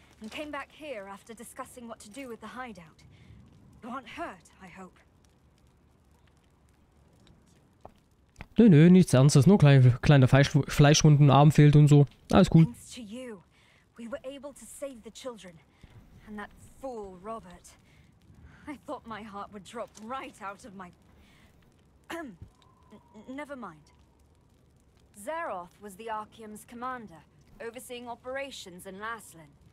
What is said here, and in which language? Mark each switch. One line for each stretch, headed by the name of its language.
English: And came back here after discussing what to do with the hideout. You aren't hurt, I hope.
German: Nö, nö, nichts Ernstes, nur kleine Fleischwunden, Arm fehlt und so. Alles cool.
English: Thanks to you, we were able to save the children. And that fool Robert. I thought my heart would drop right out of my... Never mind. Zeroth was the Archeum's commander, overseeing operations in Laslin.